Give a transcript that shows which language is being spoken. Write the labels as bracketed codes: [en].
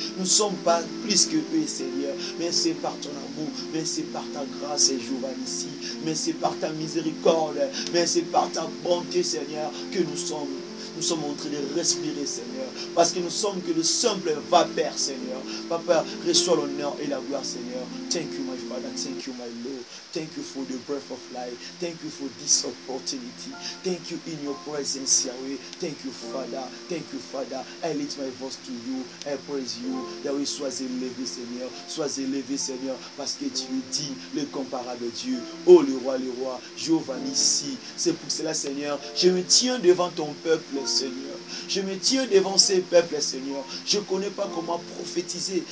[fr] Nous ne sommes pas plus que eux, Seigneur. Mais c'est par ton amour, mais c'est par ta grâce et Jouvan ici, mais c'est par ta miséricorde, mais c'est par ta bonté, Seigneur, que nous sommes. Nous sommes en train de respirer, Seigneur. Parce que nous sommes que le simple vapeur, Seigneur. Papa, reçois l'honneur et la gloire, Seigneur. [en] Thank you, my Father. Thank you, my Lord. Thank you for the breath of life. Thank you for this opportunity. Thank you in your presence, Yahweh. Thank you, Father. Thank you, Father. I lift my voice to you. I praise you. [fr] Yahweh, sois élevé, Seigneur. Sois élevé, Seigneur, parce que tu es digne, le comparable Dieu. Oh, le roi, Jéhovah Nissi. C'est pour cela, Seigneur, je me tiens devant ton peuple, Seigneur. Je me tiens devant ces peuples, Seigneur. Je ne connais pas comment prophétiser.